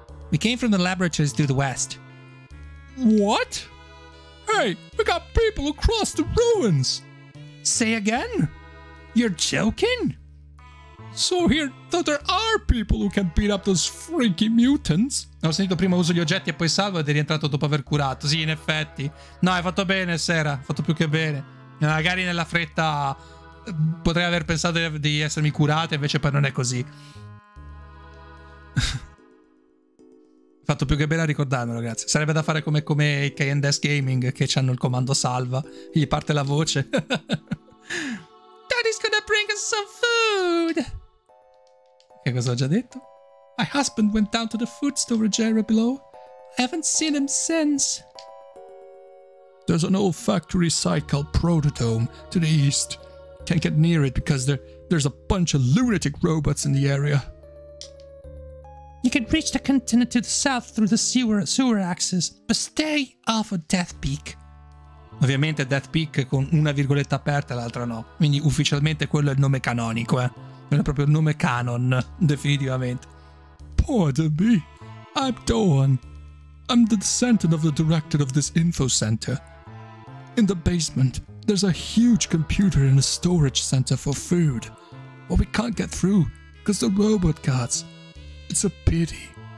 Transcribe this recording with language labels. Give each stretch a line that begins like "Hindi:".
English: We came from the laboratories to the west. What? Hey, we got people across the ruins! Say again? You're joking? So here that there are people who can beat up those freaky mutants?
Italian: Ho sentito prima uso gli oggetti e poi salvo ed è rientrato dopo aver curato. Sì, in effetti. No, hai fatto bene, Sera. Hai fatto più che bene. Magari nella fretta potrei aver pensato di essermi curato, invece poi non è così. Fatto più che bene a ricordarmelo, grazie. Sarebbe da fare come i K&S Gaming, che hanno il comando salva, gli parte la voce.
English: Daddy's gonna bring us some food!
Italian: Che cosa ho già detto?
English: My husband went down to the food store Jera below. I haven't seen him since. There's an old factory site called Protodome to the east. Can't get near it because there's a bunch of lunatic robots in the area. You can reach the continent to the south through the sewer axis, but stay off of Death Peak.
Italian: Ovviamente Death Peak con una virgoletta aperta e l'altra no. Quindi ufficialmente quello è il nome canonico, Non è proprio il nome canon, definitivamente.
English: Pardon me. I'm Doan. I'm the descendant of the director of this info center. In the basement, there's a huge computer and a storage center for food. But we can't get through, because the robot guards... It's a pity.